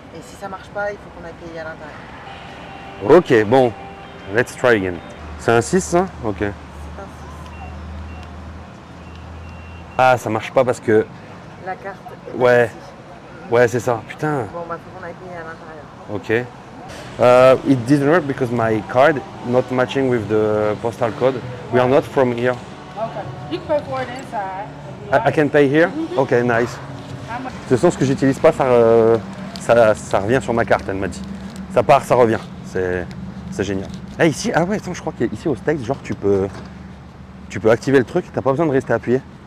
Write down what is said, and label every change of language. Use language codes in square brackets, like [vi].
[fr] Et si ça marche pas, il faut qu'on aille payer à l'intérieur. Ok, bon. [en] Let's try again. [fr] C'est un 6 ça? Ok. Ah, ça marche pas parce que. La carte. Est ouais. Ici. Ouais, c'est ça. Putain. Bon, bah, faut qu'on aille payer à l'intérieur. Ok. [en] It didn't work because my card not matching with the postal code. We are not from here. Okay. You can pay for it inside. I can pay here? Mm-hmm. Ok, nice. [fr] Ce sens que j'utilise pas, ça revient sur ma carte, elle m'a dit. Ça part, ça revient. C'est génial. Hey, ici, ah ouais, attends, je crois qu'ici au States, genre, tu peux activer le truc, t'as pas besoin de rester appuyé.